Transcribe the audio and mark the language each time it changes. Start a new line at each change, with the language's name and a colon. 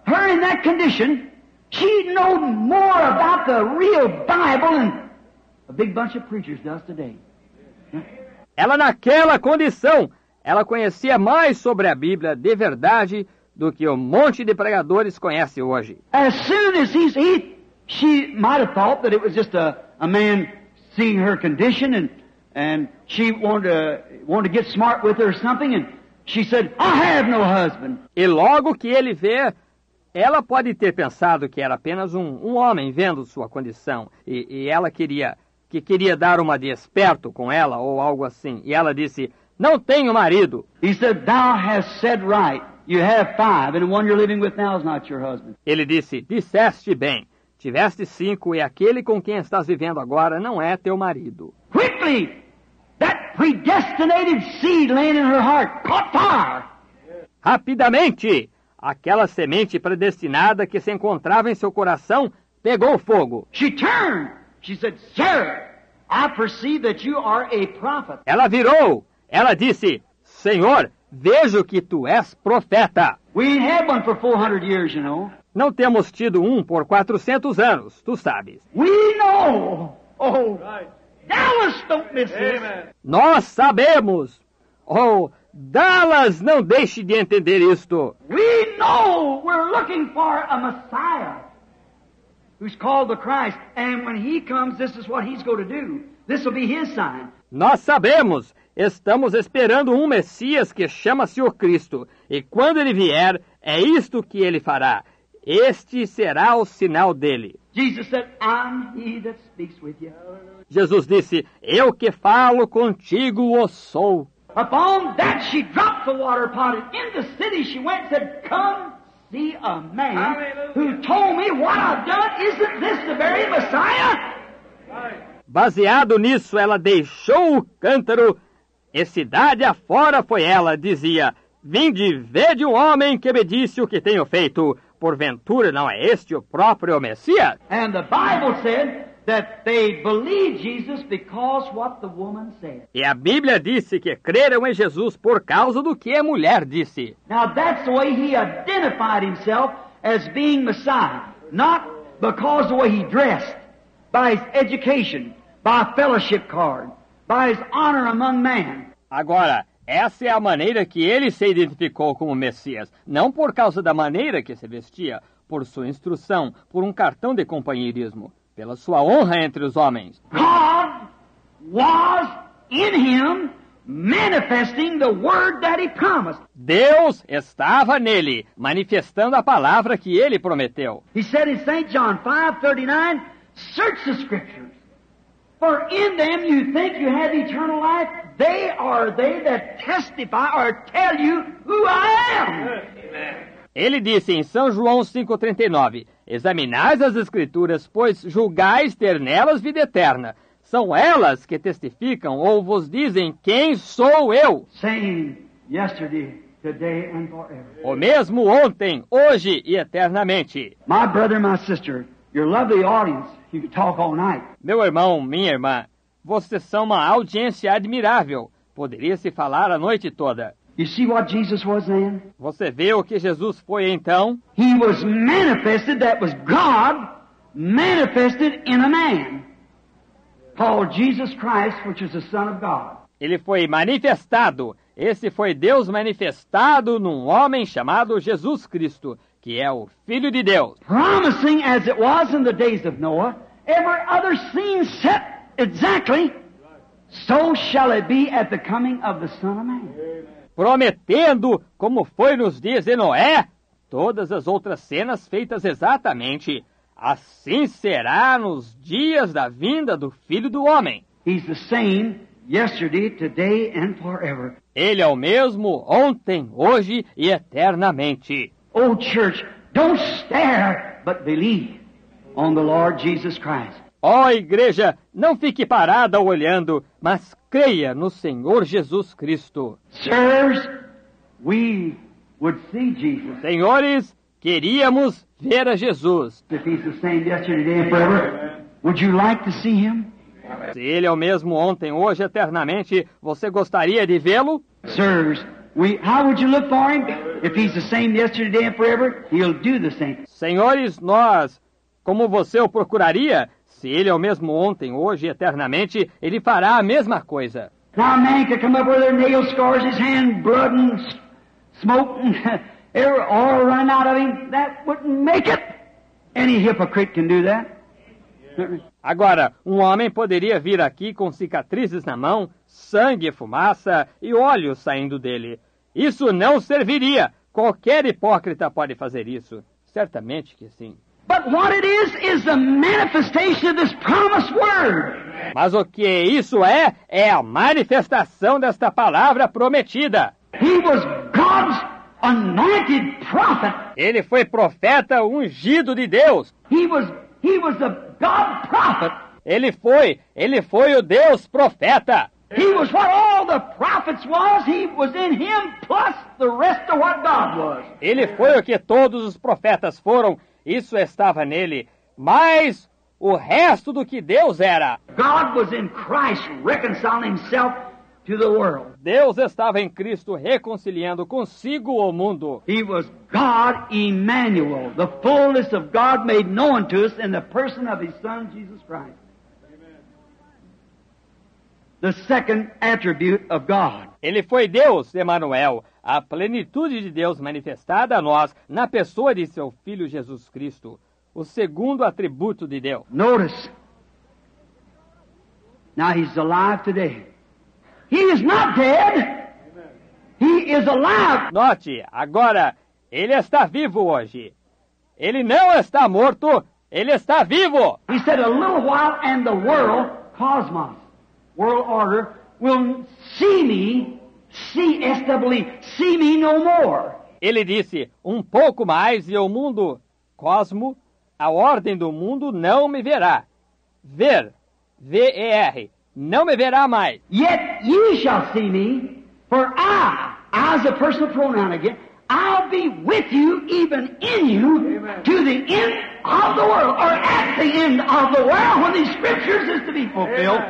English: Her in that condition, she knew more about the real Bible than a big bunch of preachers does today.
Portuguese: Ela naquela condição, ela conhecia mais sobre a Bíblia de verdade do que um monte de pregadores conhece hoje.
English: As soon as she might have thought that it was just a man seeing her condition and she wanted to get smart with her or something, and she said, I have no husband.
Portuguese: E logo que ele vê, ela pode ter pensado que era apenas um homem vendo sua condição e ela queria dar uma de esperto com ela ou algo assim. E ela disse, não tenho marido.
English: He said, thou hast said right. You have five, and the one you're living with now is not your husband.
Portuguese: Ele disse, disseste bem, tiveste cinco, e aquele com quem estás vivendo agora não é teu marido.
English: Quickly, that predestinated seed laying in her heart caught fire.
Portuguese: Rapidamente, aquela semente predestinada que se encontrava em seu coração pegou fogo.
English: She turned. She said, sir, I perceive that you are a prophet.
Portuguese: Ela virou. Ela disse, Senhor, vejo que tu és profeta.
English: We have one for 400 years, you know.
Portuguese: Não temos tido um por 400 anos, tu sabes.
English: We know. Oh, right. Dallas, don't miss Amen. This.
Portuguese: Nós sabemos. Oh, Dallas, não deixe de entender isto.
English: We know we're looking for a Messiah who's called the Christ. And when he comes, this is what he's going to do. This will be his sign.
Portuguese: Nós sabemos. Estamos esperando um Messias que chama-se o Cristo. E quando ele vier, é isto que ele fará. Este será o sinal dele.
English: Jesus said, I'm he that speaks with you.
Portuguese: Jesus disse, eu que falo contigo o sou.
English: Upon that she dropped the water pot and in the city she went and said, come see a man who told me what I've done. Isn't this the very Messiah?
Portuguese: Baseado nisso, ela deixou o cântaro e cidade afora foi ela, dizia, vinde, vede um homem que me disse o que tenho feito. Porventura, não é este o próprio Messias?
English: And the Bible said that they believed Jesus because what the woman said.
Portuguese: E a Bíblia disse que creram em Jesus por causa do que a mulher disse.
English: Now that's the way he identified himself as being Messiah. Not because of the way he dressed, by his education, by a fellowship card, by his honor among men.
Portuguese: Agora, essa é a maneira que ele se identificou como Messias. Não por causa da maneira que se vestia, por sua instrução, por um cartão de companheirismo, pela sua honra entre os homens.
English: God was in him manifesting the word that he promised.
Portuguese: Deus estava nele, manifestando a palavra que ele prometeu.
English: He said in St. John 5:39, search the scriptures. For in them you think you have eternal life, they are they that testify or tell you who I am.
Portuguese: Ele disse em São João 5:39, examinais as escrituras, pois julgais ter nelas vida eterna. São elas que testificam ou vos dizem quem sou eu.
English: Saying yesterday, today and forever.
Portuguese: O mesmo ontem, hoje e eternamente.
English: My brother, my sister, your lovely audience, you can talk all night.
Portuguese: Meu irmão, minha irmã, vocês são uma audiência admirável. Poderia se falar a noite toda.
English: You see what Jesus was then?
Portuguese: Você vê o que Jesus foi então?
English: He was manifested, that was God manifested in a man, called Jesus Christ, which is the Son of God.
Portuguese: Ele foi manifestado. Esse foi Deus manifestado num homem chamado Jesus Cristo, que é o Filho de Deus.
English: Promising as it was in the days of Noah, every other scene set exactly, so shall it be at the coming of the Son of Man.
Portuguese: Prometendo, como foi nos dias de Noé, todas as outras cenas feitas exatamente, assim será nos dias da vinda do Filho do Homem.
English: He's the same yesterday, today and forever.
Portuguese: Ele é o mesmo ontem, hoje e eternamente.
English: Oh, church, don't stare, but believe on the Lord Jesus Christ.
Portuguese: Oh, igreja, não fique parada olhando, mas creia no Senhor Jesus Cristo.
English: Sirs, we would see Jesus.
Portuguese: Senhores, queríamos ver a Jesus.
English: If he's the same yesterday, today, and forever, would you like to see him?
Portuguese: Se ele é o mesmo ontem, hoje, eternamente, você gostaria de vê-lo?
English: Sirs, how would you look for him? If he's the same yesterday, today, and forever, he'll do the same.
Portuguese: Senhores, nós, como você o procuraria? Se ele é o mesmo ontem, hoje e eternamente, ele fará a mesma coisa.
English: Now a man could come up with their nail scars, his hand blood and smoke and all run out of him. That wouldn't make it. Any hypocrite can do that.
Portuguese: Agora, um homem poderia vir aqui com cicatrizes na mão, sangue, fumaça e óleo saindo dele. Isso não serviria. Qualquer hipócrita pode fazer isso. Certamente que sim.
English: But what it is the manifestation of this promised word.
Portuguese: Mas o que isso é, é a manifestação desta palavra prometida.
English: He was God's anointed prophet.
Portuguese: Ele foi profeta ungido de Deus.
English: He was the God prophet.
Portuguese: Ele foi o Deus profeta.
English: He was what all the prophets was. He was in him plus the rest of what God was.
Portuguese: Ele foi o que todos os profetas foram. Isso estava nele, mas o resto do que Deus era.
English: God was in Christ reconciling himself to the world.
Portuguese: Deus estava em Cristo reconciliando consigo o mundo.
English: He was God Emmanuel, the fullness of God made known to us in the person of his son Jesus Christ. Amen. The second attribute of God.
Portuguese: Ele foi Deus Emmanuel. A plenitude de Deus manifestada a nós na pessoa de seu Filho Jesus Cristo. O segundo atributo de Deus.
English: Notice. Now he's alive today. He is not dead. He is alive.
Portuguese: Note, agora, ele está vivo hoje. Ele não está morto, ele está vivo.
English: He said a little while and the world, cosmos, world order, will see me, see me no more.
Portuguese: Ele disse, um pouco mais e o mundo, cosmo, a ordem do mundo não me verá. Ver, V-E-R, não me verá mais.
English: Yet ye shall see me, for I, as a personal pronoun again, I'll be with you, even in you, Amen. To the end of the world, or at the end of the world, when these scriptures is to be fulfilled.